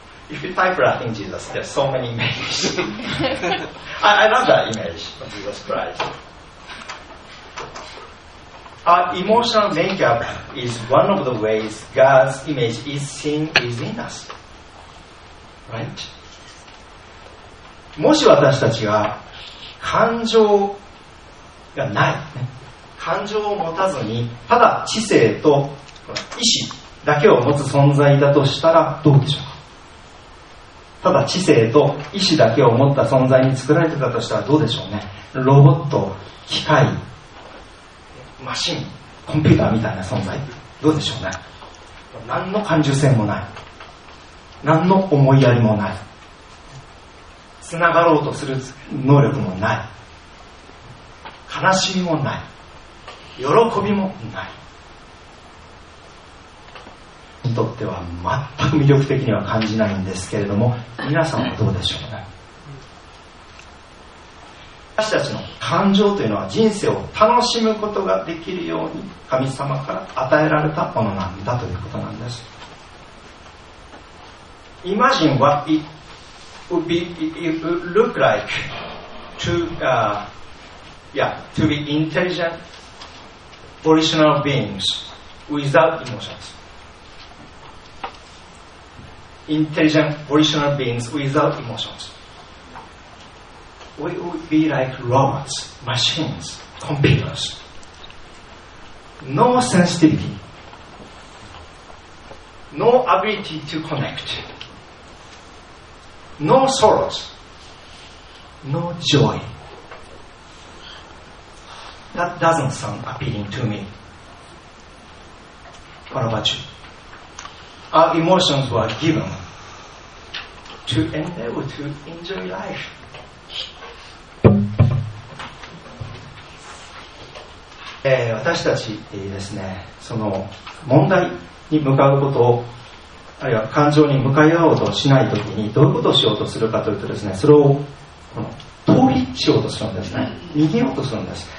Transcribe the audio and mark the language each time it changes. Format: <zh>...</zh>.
<en>If you type laughing Jesus, there's so many images. I love that image of Jesus Christ. Our emotional makeup is one of the ways God's image is seen within us. Right?</en> <ja>もし私たちが感情がない、感情を持たずに、ただ知性と意志だけを持つ存在だとしたらどうでしょうか？ただ知性と意志だけを持った存在に作られてたとしたらどうでしょうね？ロボット、機械、マシン、コンピューターみたいな存在、どうでしょうね？何の感受性もない。何の思いやりもない。つながろうとする能力もない、悲しみもない、喜びもない、にとっては全く魅力的には感じないんですけれども、皆さんはどうでしょうね。私たちの感情というのは人生を楽しむことができるように神様から与えられたものなんだということなんです。</ja> <en>Imagine what itWould be, it would look like to be intelligent, volitional beings without emotions. Intelligent, volitional beings without emotions. We would be like robots, machines, computers. No sensitivity. No ability to connect. No sorrows, no joy. That doesn't sound appealing to me. What about you? Our emotions were given to enable to enjoy life.</en> <ja>私たちですね、その問題に向かうことをあるいは感情に向かい合おうとしないときにどういうことをしようとするかというとですね、それをこの逃避しようとするんですね、逃げようとするんです。</ja>